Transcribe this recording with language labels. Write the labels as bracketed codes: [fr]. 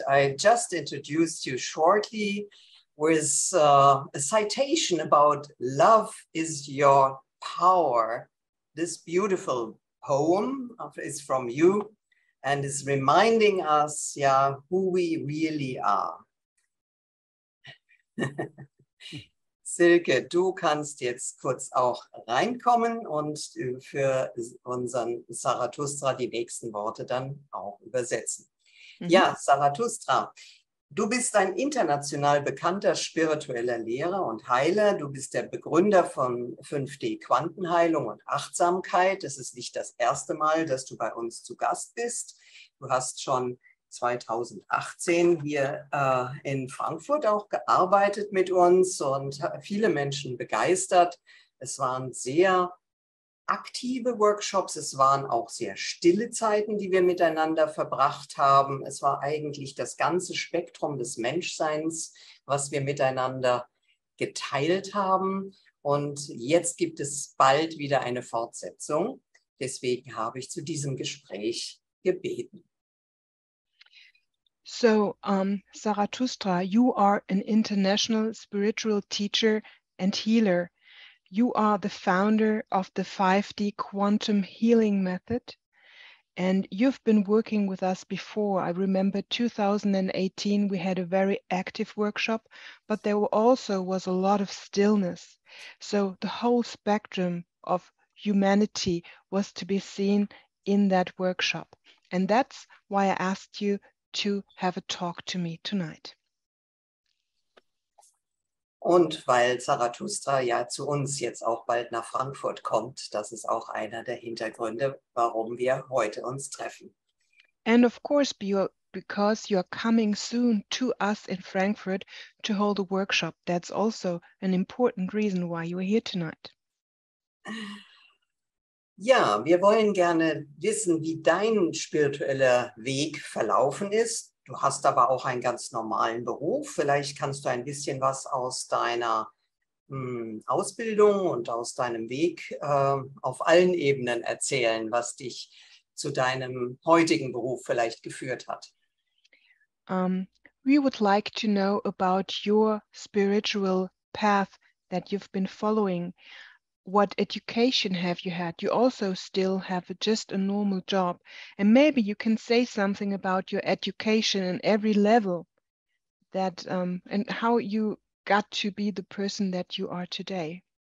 [en] I just introduced you shortly with a citation about Love is Your Power. This beautiful poem is from you and is reminding us, yeah, who we really are. [de] Silke, du kannst jetzt kurz auch reinkommen und für unseren Zarathustra die nächsten Worte dann auch übersetzen. Mhm. Ja, Zarathustra, du bist ein international bekannter spiritueller Lehrer und Heiler. Du bist der Begründer von 5D Quantenheilung und Achtsamkeit. Es ist nicht das erste Mal, dass du bei uns zu Gast bist. Du hast schon 2018 hier in Frankfurt auch gearbeitet mit uns und viele Menschen begeistert. Es waren sehr aktive Workshops, es waren auch sehr stille Zeiten, die wir miteinander verbracht haben. Es war eigentlich das ganze Spektrum des Menschseins, was wir miteinander geteilt haben. Und jetzt gibt es bald wieder eine Fortsetzung. Deswegen habe ich zu diesem Gespräch gebeten. [en] So, Zarathustra, you are an international spiritual teacher and healer. You are the founder of the 5D quantum healing method. And you've been working with us before. I remember 2018, we had a very active workshop, but there also was a lot of stillness. So the whole spectrum of humanity was to be seen in that workshop. And that's why I asked you to have a talk to me tonight. [de] Und weil Zarathustra ja zu uns jetzt auch bald nach Frankfurt kommt, das ist auch einer der Hintergründe, warum wir heute uns treffen. [en] And of course, because you are coming soon to us in Frankfurt to hold a workshop, that's also an important reason why you are here tonight. [de] Ja, wir wollen gerne wissen, wie dein spiritueller Weg verlaufen ist. Du hast aber auch einen ganz normalen Beruf. Vielleicht kannst du ein bisschen was aus deiner Ausbildung und aus deinem Weg auf allen Ebenen erzählen, was dich zu deinem heutigen Beruf vielleicht geführt hat. [en] We would like to know about your spiritual path that you've been following. What education have you had? You also still have just a normal job. And maybe you can say something about your education and every level that and how you got to be the person that you are today.